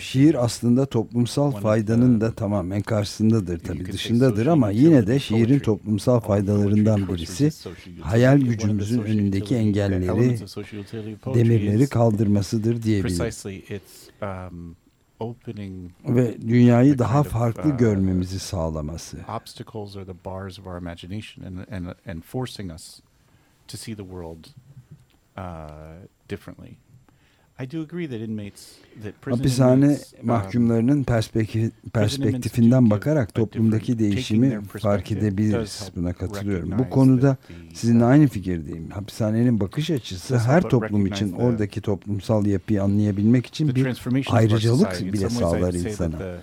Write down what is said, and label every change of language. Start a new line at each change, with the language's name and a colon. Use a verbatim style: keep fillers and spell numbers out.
Turkish: Şiir aslında toplumsal faydanın da tamamen karşısındadır tabii, dışındadır, ama yine de şiirin toplumsal faydalarından birisi hayal gücümüzün önündeki engelleri, demirleri kaldırmasıdır diyebilirim. Ve dünyayı daha farklı görmemizi sağlaması.
English: Obstacles are the bars of our imagination and and and forcing us to see the world uh differently. I do agree that inmates that prison
Turkish: hapishane mahkumlarının perspektif, perspektifinden bakarak toplumdaki değişimi fark edebiliriz. Buna katılıyorum. Bu konuda sizinle aynı fikirdeyim. Hapishanenin bakış açısı her toplum için oradaki toplumsal yapıyı anlayabilmek için bir ayrıcalık bile sağlar insana.